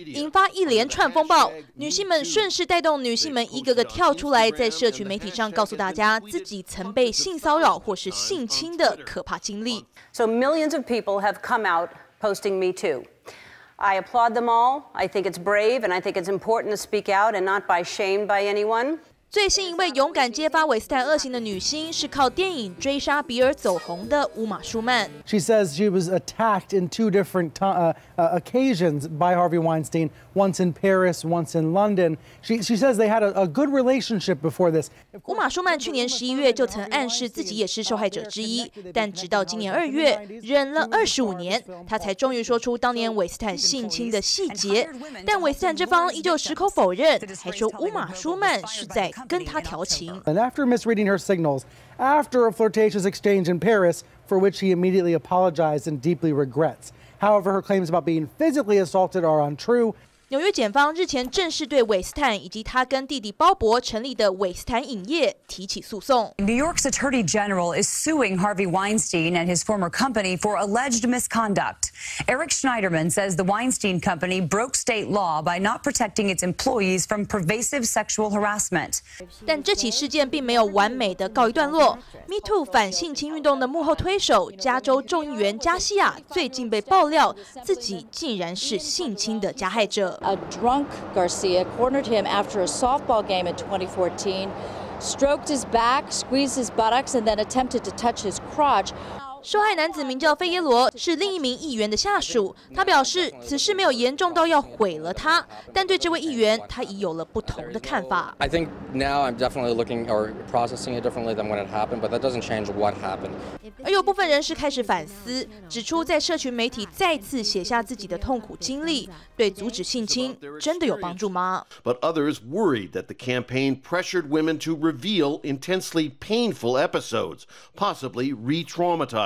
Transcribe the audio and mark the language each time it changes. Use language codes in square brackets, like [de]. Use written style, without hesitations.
[zh] 引发一连串风暴，女性们顺势带动女性们一个个跳出来，在社群媒体上告诉大家自己曾被性骚扰或是性侵的可怕经历。 [en] So millions of people have come out posting Me Too. I applaud them all. I think it's brave, and I think it's important to speak out and not be shamed by anyone. [zh] 最新一位勇敢揭发韦斯坦恶行的女星是靠电影《追杀比尔》走红的乌玛·舒曼。 [en] She says she was attacked in two different occasions by Harvey Weinstein, once in Paris, once in London. She says they had a good relationship before this. [zh] 乌玛·舒曼去年11月就曾暗示自己也是受害者之一，但直到今年2月，忍了25年，她才终于说出当年韦斯坦性侵的细节。但韦斯坦这方依旧矢口否认，还说乌玛·舒曼是在跟他调情。 [en] And after misreading her signals, after a flirtatious exchange in Paris, for which he immediately apologized and deeply regrets. However, her claims about being physically assaulted are untrue. [zh] 纽约检方日前正式对韦斯坦以及他跟弟弟鲍勃成立的韦斯坦影业提起诉讼。 [en] New York's Attorney General is suing Harvey Weinstein and his former company for alleged misconduct. Eric Schneiderman says the Weinstein Company broke state law by not protecting its employees from pervasive sexual harassment. [zh] 但这起事件并没有完美的告一段落。Me Too 反性侵运动的幕后推手加州众议员加西亚最近被爆料自己竟然是性侵的加害者。 [en] A drunk Garcia cornered him after a softball game in 2014, stroked his back, squeezed his buttocks, and then attempted to touch his crotch. [zh] 受害男子名叫费耶罗，是另一名议员的下属。他表示，此事没有严重到要毁了他，但对这位议员，他已有了不同的看法。 [en] I think now I'm definitely looking or processing it differently than when it happened, but that doesn't change what happened. [zh] 而有部分人士开始反思，指出在社群媒体再次写下自己的痛苦经历，对阻止性侵真的有帮助吗 [en] ？But others worried that the campaign pressured women to reveal intensely painful episodes, possibly re-traumatized.